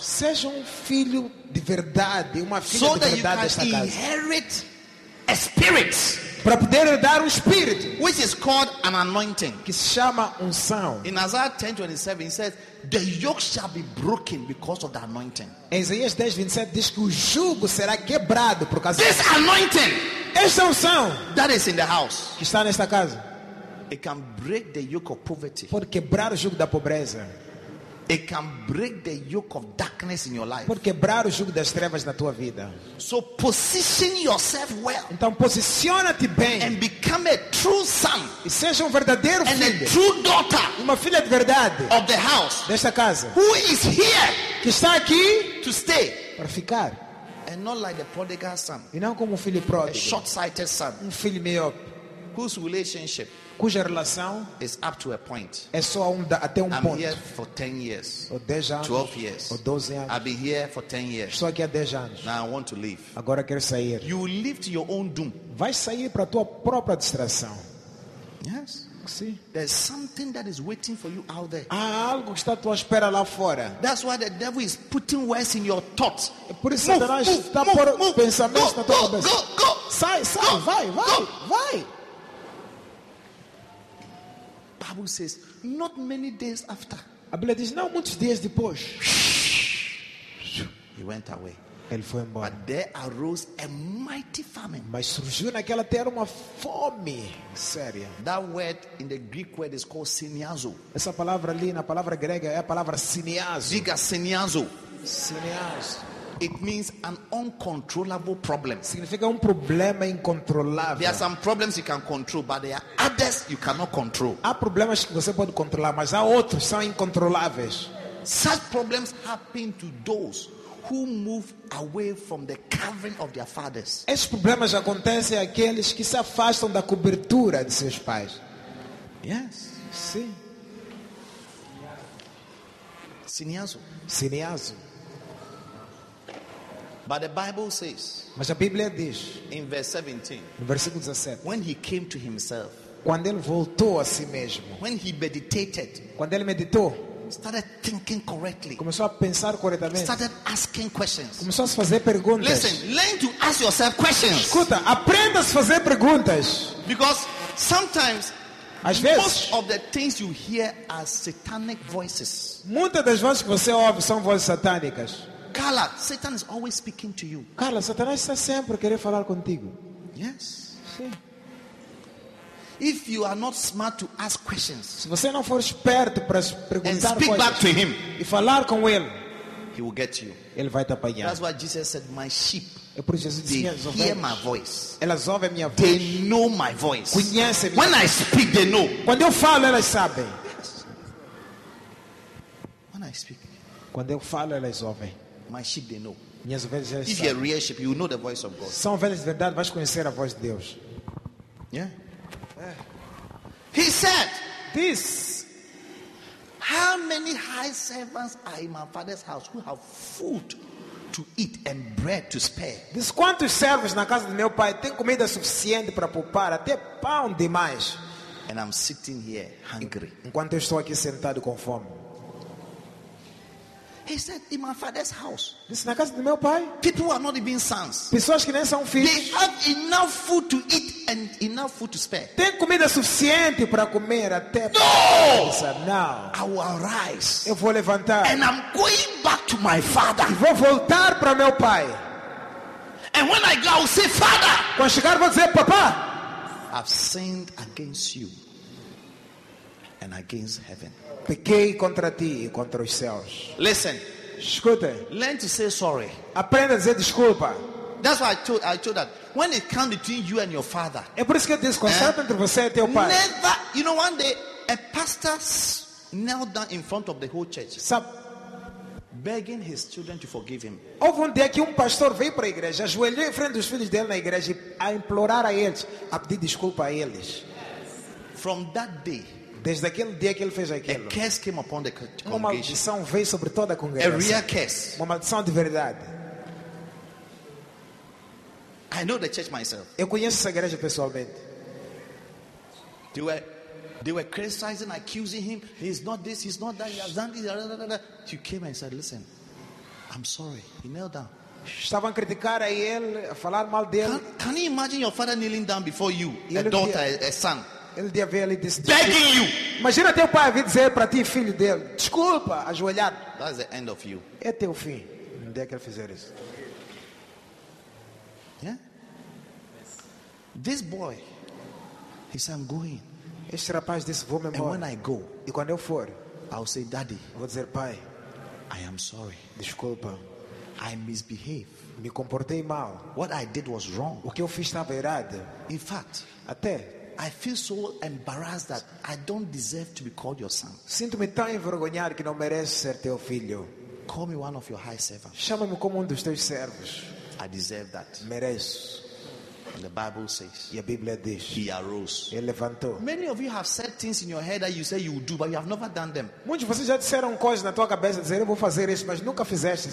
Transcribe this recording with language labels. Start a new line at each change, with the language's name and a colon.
Portuguese: Seja filho de verdade, uma filha
English: so
Portuguese: de verdade desta casa.
English: So that you can inherit a spirit.
Portuguese: Para poder herdar espírito.
English: Which is called an anointing.
Portuguese: Que se chama unção.
English: In Isaiah 10:27, it says, the yoke shall be broken because of the anointing.
Portuguese: Em Isaías 10:27 diz que o jugo será quebrado por causa
English: this anointing.
Portuguese: Esta unção.
English: That is in the house.
Portuguese: Que está nesta casa.
English: It can break the yoke of poverty.
Portuguese: Pode quebrar o jugo da pobreza.
English: It can break the yoke of darkness in your life.
Portuguese: Pode quebrar o jugo das trevas na tua vida.
English: So position yourself well.
Portuguese: Então posiciona-te bem.
English: And become a true son.
Portuguese: E seja verdadeiro filho.
English: And a true daughter.
Portuguese: Uma filha de verdade.
English: Of the house.
Portuguese: Desta casa.
English: Who is here?
Portuguese: Que está aqui.
English: To stay.
Portuguese: Para ficar.
English: And not like the prodigal son.
Portuguese: E não como filho pródigo.
English: A short-sighted son.
Portuguese: Filho meio.
English: Whose relationship?
Portuguese: Cuja relação
English: is up to a point.
Portuguese: É só até
English: I'm
Portuguese: ponto.
English: Here for 10 years.
Portuguese: Ou 10 anos,
English: 12 years.
Portuguese: Ou 12 anos.
English: I've been here for 10 years.
Portuguese: Estou aqui há 10 anos.
English: Now I want to leave.
Portuguese: Agora quero sair.
English: You will leave to your own doom.
Portuguese: Vai sair para a tua própria distração.
English: Yes. See? There's something that is waiting for you out there.
Portuguese: Há algo que está à tua espera lá fora.
English: That's why the devil is putting words in your thoughts.
Portuguese: É por isso que Satanás está por pensamentos na tua cabeça.
English: Go.
Portuguese: Sai, sai,
English: go,
Portuguese: vai, vai,
English: go.
Portuguese: Vai.
English: Bible says, not many days after.
Portuguese: A Bíblia diz, não muitos dias depois.
English: He went away.
Portuguese: Ele foi embora.
English: But there arose a mighty famine.
Portuguese: Mas surgiu naquela terra uma fome séria.
English: That word in the Greek word is called siniazo.
Portuguese: Essa palavra ali na palavra grega é a palavra siniazo. Diga siniazo. Siniazo.
English: It means an uncontrollable problem.
Portuguese: Significa problema incontrolável.
English: There are some problems you can control, but there are others you cannot control.
Portuguese: Há problemas que você pode controlar, mas há outros que são incontroláveis.
English: Such problems happen to those who move away from the covering of their fathers.
Portuguese: Esses problemas acontecem àqueles que se afastam da cobertura de seus pais.
English: Yes.
Portuguese: Sim. Siniazo. Siniazo.
English: But the Bible says,
Portuguese: mas a Bíblia diz,
English: in verse 17,
Portuguese: no versículo 17,
English: when he came to himself,
Portuguese: quando ele voltou a si mesmo,
English: when he meditated,
Portuguese: quando ele meditou,
English: started thinking correctly,
Portuguese: começou a pensar corretamente,
English: started asking questions,
Portuguese: começou a se fazer perguntas.
English: Listen, learn to ask yourself questions.
Portuguese: Escuta, aprenda a se fazer perguntas.
English: Because sometimes,
Portuguese: às vezes,
English: most of the things you hear are satanic voices.
Portuguese: Muitas das vozes que você ouve são vozes satânicas.
English: Carla, Satan is always speaking to you.
Portuguese: Carla, Satanás está sempre querendo falar contigo.
English: Yes.
Portuguese: Sim.
English: If you are not smart to ask questions,
Portuguese: se você não for esperto para perguntar
English: and speak
Portuguese: coisas,
English: back to him,
Portuguese: e falar com ele,
English: he will get you.
Portuguese: Ele vai te apanhar.
English: That's why Jesus said, "My sheep."
Portuguese: É por isso que Jesus disse,
English: "They hear my voice."
Portuguese: Elas ouvem minha voz.
English: They know my voice.
Portuguese: Conhecem
English: when
Portuguese: minha
English: I speak, they know.
Portuguese: Quando eu falo, elas sabem.
English: Yes. When I speak,
Portuguese: quando eu falo, elas ouvem.
English: My sheep, they know.
Portuguese: Minhas ovelhas já sabem.
English: If you're a real sheep, you know the voice of God.
Portuguese: São ovelhas de verdade, vais conhecer a voz de Deus.
English: Yeah. He said, "This. How many high servants are in my father's house who have food to eat and bread to spare?"
Portuguese: Diz, quantos servos na casa do meu pai tem comida suficiente para poupar até pão demais?
English: And I'm sitting here hungry.
Portuguese: Enquanto eu estou aqui sentado com fome.
English: He said, "In my father's house,
Portuguese: this na casa do meu pai,
English: people are not even sons.
Portuguese: Pessoas que nem são filhos.
English: They have enough food to eat and enough food to spare.
Portuguese: Tem comida suficiente para comer até.
English: No, now I will arise.
Portuguese: Eu vou levantar.
English: And I'm going back to my father.
Portuguese: Vou voltar para meu pai.
English: And when I go, I will say, Father.
Portuguese: Quando chegar, vou dizer, Papá.
English: I've sinned against you and against heaven.
Portuguese: Pequei contra ti e contra os céus.
English: Listen.
Portuguese: Escuta.
English: Learn to say sorry.
Portuguese: Aprenda a dizer desculpa.
English: That's why I told that when it comes between you and your father.
Portuguese: É por isso que eu disse, quando sabe entre você e teu pai.
English: Never, you know, one day a pastor knelt down in front of the whole church.
Portuguese: Sabe,
English: begging his children to forgive him.
Portuguese: Houve um dia que um pastor veio para a igreja, ajoelhou em frente dos filhos dele na igreja a implorar a eles, a pedir desculpa a eles.
English: Yes. From that day,
Portuguese: desde aquele dia que ele fez aquilo,
English: a curse came upon the congregation.
Portuguese: Uma maldição veio sobre toda a congregação.
English: A real curse.
Portuguese: Uma maldição de verdade.
English: I know the church myself.
Portuguese: Eu conheço essa igreja pessoalmente.
English: They were criticizing, accusing him. He's not this, he's not that, he has done this. You came and said, listen, I'm sorry. He knelt down.
Portuguese: Estavam a criticar a ele, a falar mal dele.
English: Can you imagine your father kneeling down before you, a daughter, a son?
Portuguese: Ele devia ver ele disse,
English: begging you.
Portuguese: Imagina teu pai vir dizer para ti, filho dele, desculpa, ajoelhado.
English: That's the end of you.
Portuguese: É teu fim. Não deixa que ele fizer isso.
English: Yeah? This boy, he said, I'm going.
Portuguese: Este rapaz disse, vou-me embora.
English: And when I go,
Portuguese: e quando eu for,
English: I'll say, daddy,
Portuguese: vou dizer, pai,
English: I am sorry.
Portuguese: Desculpa.
English: I misbehave.
Portuguese: Me comportei mal.
English: What I did was wrong.
Portuguese: O que eu fiz estava errado.
English: In fact,
Portuguese: até,
English: I feel so embarrassed that I don't deserve to be called your son.
Portuguese: Sinto-me tão envergonhado que não mereço ser teu filho.
English: Call me one of your high servants.
Portuguese: Chama-me como dos teus servos.
English: I deserve that.
Portuguese: Mereço.
English: And the Bible says,
Portuguese: e a Bíblia diz,
English: he arose.
Portuguese: Ele levantou.
English: Many of you have said things in your head that you say you will do, but you have never done them.
Portuguese: Muitos de vocês já disseram coisas na tua cabeça dizendo eu vou fazer isso, mas nunca fizeste.